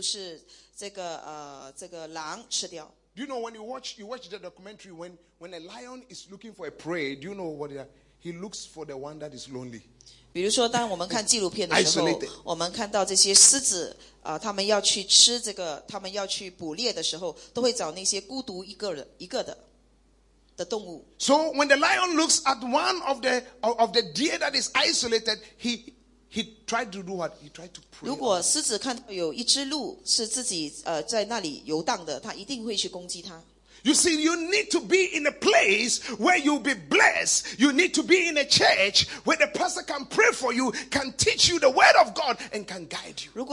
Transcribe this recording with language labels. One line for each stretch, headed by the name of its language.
Chinese: 孤单的灵魂呢，在外面游荡，很容易被这个魔鬼，就是这个狼吃掉。
English: Do you know when you watch the documentary when a lion is looking for a prey? Do you know what he looks for? The one that is lonely.
Chinese: 比如说，当我们看纪录片的时候，我们看到这些狮子，他们要去捕猎的时候，都会找那些孤独一个的。
English: So when the lion looks at one of the deer that is isolated, he tried to do what? He tried to pray.
Chinese: 如果狮子看到有一只鹿是自己在那里游荡的，他一定会去攻击它。
English: You see, you need to be in a place where you'll be blessed. You need to be in a church where the pastor can pray for you, can teach you the word of God, and can guide you.